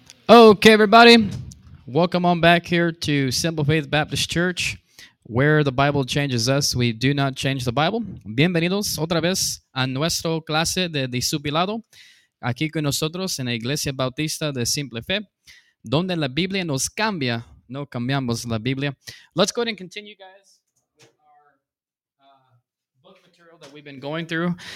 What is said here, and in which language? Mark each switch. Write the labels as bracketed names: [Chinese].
[English] Okay, everybody, welcome on back here to Simple Faith Baptist Church, where the Bible changes us. We do not change the Bible. [Spanish] Bienvenidos otra vez a nuestra clase de discipulado aquí con nosotros en la Iglesia Bautista de Simple Fe, donde la Biblia nos cambia, no cambiamos la Biblia. [English] Let's go ahead and continue, guys, with our book material that we've been going through.